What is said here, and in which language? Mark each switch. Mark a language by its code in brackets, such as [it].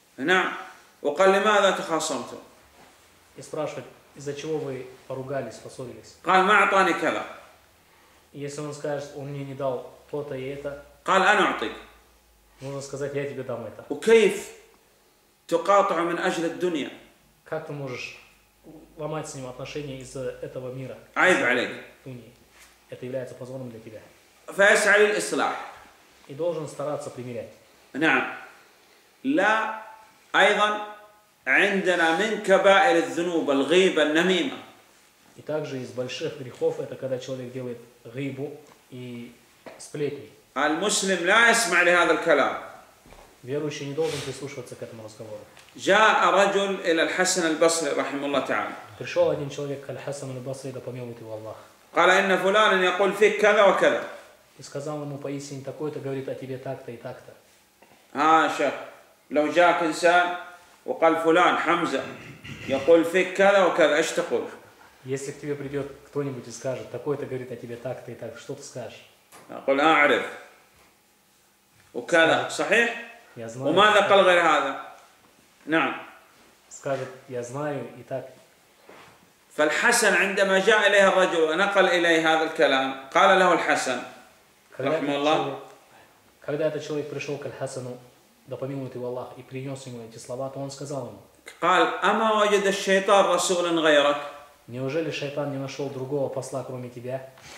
[ar] نعم. وقال لماذا تخاصمت? [ru] И спрашивает, из-за чего вы поругались, поссорились? [ar] قال ما أعطاني كذا. [ru] Если он скажет, он мне не дал то-то и это. [ar] قال أنا أعطيك. [ru] Нужно сказать, я тебе дам это. [ar] وكيف تقاطع من أجل الدنيا? [ru] Как ты можешь ломать с ним отношения из-за этого мира? [ar] عيب عليك. [ru] Это является позором для тебя. [ar] فيسعى للإصلاح. [ru] И должен стараться примирять. [ar] نعم. لا أيضا عندنا من كبائر الذنوب الغيبة النميمة. [ru] И также из больших грехов это когда человек делает غيبу и сплетни. [ar] المسلم لا يسمع لهذا الكلام. [ru] Верующий не должен прислушиваться к этому разговору. [ar] جاء رجل إلى الحسن البصري رحمه الله تعالى. [ru] Пришел один человек к الحسن البصري да помилует его Аллах. [ar] قال إن فلان يقول فيك كذا وكذا. [ru] И сказал ему поистине такое-то говорит о тебе так-то и так-то. [ar] А, شيخ, لو جاك إنسان وقال فلان حمزة يقول فيك كذا وكذا إيش تقول؟ [ru] Если к тебе придет кто-нибудь и скажет такое-то говорит о тебе так-то и так, что ты скажешь? [ar] أقول أعرف وكذا صحيح؟ [ru] Я знаю. [ar] وماذا قال غير هذا؟ نعم. [ru] Скажет я знаю и так. [ar] فالحسن عندما جاء إليه الرجل ونقل إليه هذا الكلام قال له الحسن [ru] Когда этот человек пришел к Аль-Хасану, да помилует его Аллах, и принес ему эти слова, то он сказал ему, неужели шайтан не нашел другого посла, кроме тебя?